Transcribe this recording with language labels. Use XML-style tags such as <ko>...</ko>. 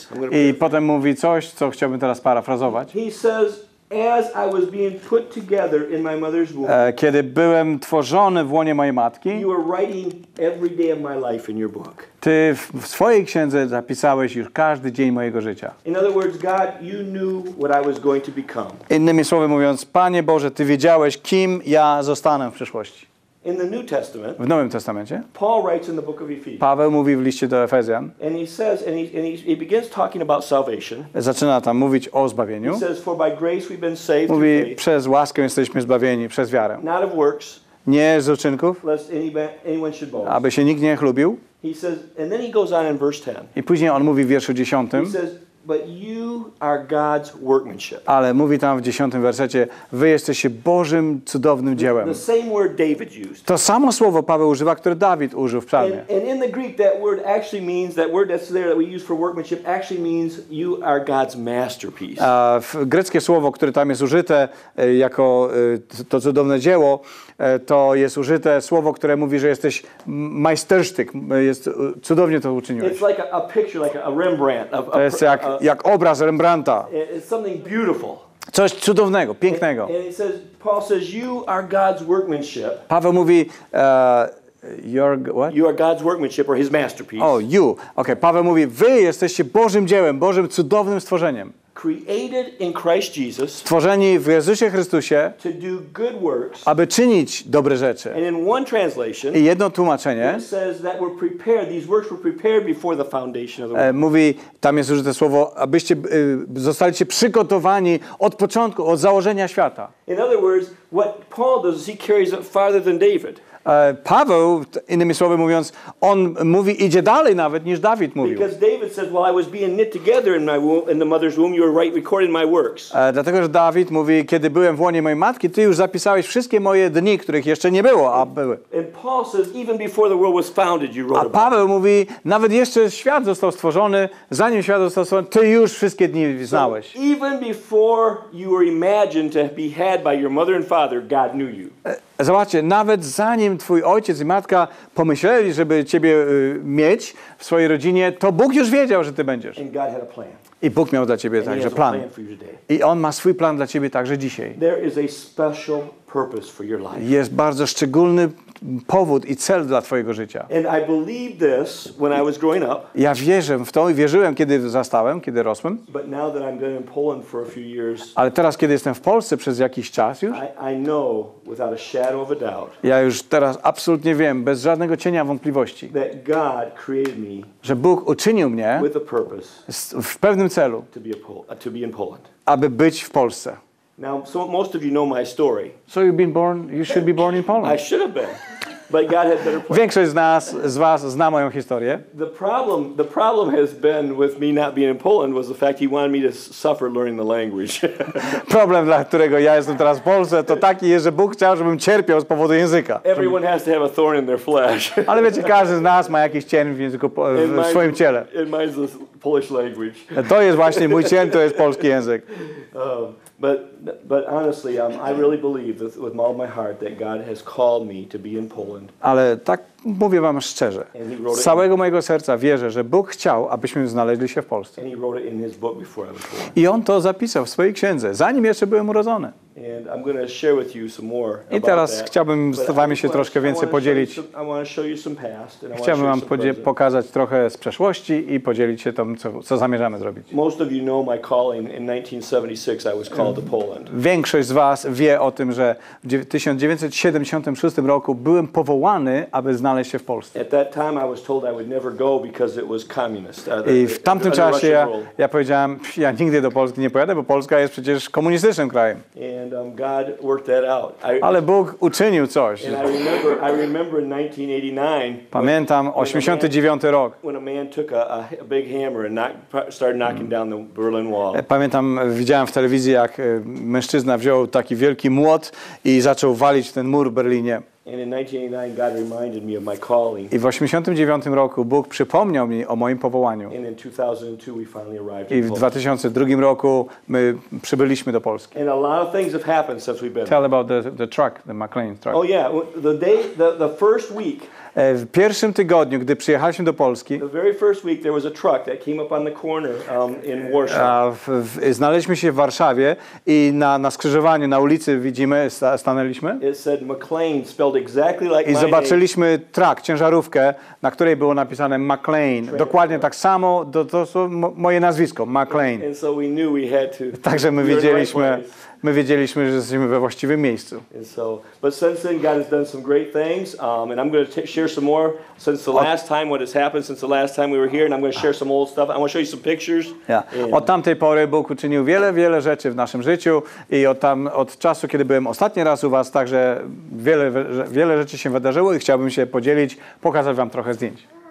<pl>I potem mówi coś, co chciałbym teraz parafrazować.</pl> <en>He says, as I was being put together in my mother's womb,</en> <pl>kiedy byłem tworzony w łonie mojej matki,</pl> <en>you were writing every day of my life in your book.</en> <pl>Ty w swojej księdze zapisałeś już każdy dzień mojego życia.</pl> <en>In other words, God, you knew what I was going to become.</en> <pl>Innymi słowy mówiąc, Panie Boże, ty wiedziałeś, kim ja zostanę w przyszłości.</pl> <en>In the New Testament,</en> <pl>w Nowym Testamencie,</pl> <en>Paul writes in the book of Ephesians.</en> <pl>Paweł mówi w liście do Efezjan.</pl> <en>And he says, and he begins talking about salvation.</en> <pl>Zaczyna tam mówić o zbawieniu.</pl> <en>He says, for by grace we've been saved.</en> <pl>Mówi,</pl> <en>through faith.</en> <pl>Przez łaskę jesteśmy zbawieni, przez wiarę.</pl> <en>Not of works.</en> <pl>Nie z uczynków.</pl> <en>Lest anyone should boast.</en> <pl>Aby się nikt nie chlubił.</pl> <en>He says, and then he goes on in verse 10.</en> <pl>I później on mówi w wierszu 10.</pl> <en>He says, but you are God's workmanship.</en> <pl>Ale mówi tam w 10 wersecie, wy jesteście Bożym cudownym dziełem.</pl> <en>The same word David used.</en> <pl>To samo słowo Paweł używa, które Dawid użył w psalmie.</pl> <en>And in the Greek that word actually means, that word that's there that we use for workmanship actually means you are God's masterpiece.</en> <pl>A greckie słowo, które tam jest użyte jako to cudowne dzieło, to jest użyte słowo, które mówi, że jesteś majstersztyk, cudownie to uczyniłeś.</pl> <en>It's like a picture, like a Rembrandt.</en> <pl>To jest jak obraz Rembrandta.</pl> <en>It's something beautiful.</en> <pl>Coś cudownego, pięknego.</pl> <en>And it says, Paul says, you are God's workmanship.</en> <pl>Paweł mówi,</pl> <en>you are God's workmanship or his masterpiece. Oh, you. Okay,</en> <pl>Paweł mówi, wy jesteście Bożym dziełem, Bożym cudownym stworzeniem.</pl> <en>created in Christ Jesus,</en> <pl>stworzeni w Jezusie Chrystusie,</pl> <en>to do good works,</en> <pl>aby czynić dobre rzeczy.</pl> <en>And in one translation,</en> <pl>i jedno tłumaczenie</pl> <en>says that were prepared, these works were prepared before the foundation of the world.</en> <pl>Mówi, tam jest użyte słowo, abyście zostaliście przygotowani od początku, od założenia świata.</pl> <en>In other words, what Paul does is he carries it farther than David.</en> <pl>Paweł, innymi słowy mówiąc, on mówi, idzie dalej nawet niż Dawid mówił.</pl> <en>Because David says, while I was being knit together in my womb, in the mother's womb, you were right recording my works.</en> <pl>Dlatego, że Dawid mówi, kiedy byłem w łonie mojej matki, ty już zapisałeś wszystkie moje dni, których jeszcze nie było, a były.</pl> <en>And Paul says, even before the world was founded, you wrote.</en> <pl>A Paweł mówi, nawet jeszcze świat został stworzony, zanim świat został stworzony, ty już wszystkie dni znałeś.</pl> <en>So, even before you were imagined to be had by your mother and father, God knew you.</en> <pl>Zobaczcie, nawet zanim twój ojciec i matka pomyśleli, żeby ciebie mieć w swojej rodzinie, to Bóg już wiedział, że ty będziesz.</pl> <en>And God had a plan.</en> <pl>I Bóg miał dla ciebie także plan. I On ma swój plan dla ciebie także dzisiaj.</pl> <en>There is a special purpose for your life.</en> <pl>Jest bardzo szczególny powód i cel dla twojego życia.</pl> <en>And I believed this when I was growing up.</en> <pl>Ja wierzę w to i wierzyłem, kiedy zastałem, kiedy rosłem.</pl> <en>But now that I'm in Poland for a few years,</en> <pl>ale teraz, kiedy jestem w Polsce przez jakiś czas już,</pl> <en>I know without a shadow of a doubt,</en> <pl>ja już teraz absolutnie wiem, bez żadnego cienia wątpliwości,</pl> <en>that God created me,</en> <pl>że Bóg uczynił mnie</pl> <en>with a purpose,</en> <pl>w pewnym celu,</pl> <en>to be in Poland,</en> <pl>aby być w Polsce.</pl> <en>Now, so most of you know my story. So you've been born, you should be born in Poland. I should have been, but God had better plans.</en> <pl>Większość z was zna moją historię.</pl> <en>The problem has been with me not being in Poland was the fact he wanted me to suffer learning the language.</en> <pl>Problem, dla którego ja jestem teraz w Polsce, to taki jest, że Bóg chciał, żebym cierpiał z powodu języka.</pl> <en>Everyone has to have a thorn in their flesh.</en> <pl>Ale wiecie, każdy z nas ma jakiś cień w języku, w swoim ciele.</pl> <en>And mine's the Polish language.</en> <pl>To jest właśnie mój cień, to jest polski język.</pl> <en>But honestly, I really believe that with all my heart that God has called me to be in Poland.</en> <pl>Ale tak mówię wam szczerze. Z całego mojego serca wierzę, że Bóg chciał, abyśmy znaleźli się w Polsce.</pl> <en>And he wrote it in his book before I was born.</en> <pl>I on to zapisał w swojej księdze, zanim jeszcze byłem urodzony.</pl> <en>And I'm going to share with you some more.</en> <pl>I teraz</pl> <en>about that.</en> <pl>Chciałbym z wami się troszkę więcej podzielić.</pl> <en>I want to show you some past and</en> <pl>chciałbym wam pokazać trochę z przeszłości i podzielić się tym, co zamierzamy zrobić.</pl> <en>Most of you know my calling. In 1976 I was called to Poland.</en> <pl>Większość z was wie o tym, że w 1976 roku byłem powołany, aby znaleźć się w Polsce.</pl> <en>At that time I was told I would never go because it was communist.</en> <pl>I w tamtym czasie ja powiedziałem, ja nigdy do Polski nie pojadę, bo Polska jest przecież komunistycznym krajem.</pl> <en>And God worked that out.</en> <pl>Ale Bóg uczynił coś.</pl> <en>And I remember in 1989.</en> <pl>Pamiętam 89 rok.</pl> <en>When a man took a big hammer and started knocking down the Berlin Wall.</en> <pl>Pamiętam, widziałem w telewizji, jak mężczyzna wziął taki wielki młot i zaczął walić ten mur w Berlinie.</pl> <en>And in 1989 God reminded me of my calling.</en> <pl>I w 89 roku Bóg przypomniał mi o moim powołaniu.</pl> <en>And in 2002 we finally arrived.</en> <pl>I w 2002 roku my przybyliśmy do Polski.</pl> <en>And a lot of things have happened since we've been. Tell about the truck, the McLean truck. Oh yeah, the first week.</en> <pl>W pierwszym tygodniu, gdy przyjechaliśmy do Polski,</pl> <en>the very first week there was a truck that came up on the corner in Warsaw.</en> <pl>Znaleźliśmy się w Warszawie i na skrzyżowaniu, na ulicy widzimy, stanęliśmy.</pl> <en>It said McLean, spelled exactly like</en> <pl>i</pl> <en>my</en> <pl>zobaczyliśmy</pl> <en>name.</en> <pl>Truck, ciężarówkę, na której było napisane McLean. Train. Dokładnie tak samo, to są moje nazwisko, McLean.</pl> <en>And so we knew we had to.</en> <pl>Także my wiedzieliśmy. My wiedzieliśmy, że jesteśmy we właściwym miejscu.</pl> <en>But since then God has done some great things and I'm going to share some more since the last time what has happened since the last time we were here and I'm going to share some old stuff. I want to show you some pictures. Yeah.</en> <pl>Od tamtej pory Bóg uczynił wiele, wiele rzeczy w naszym życiu i od czasu, kiedy byłem ostatni raz u was, także wiele, wiele rzeczy się wydarzyło i chciałbym się podzielić, pokazać wam trochę zdjęć.</pl>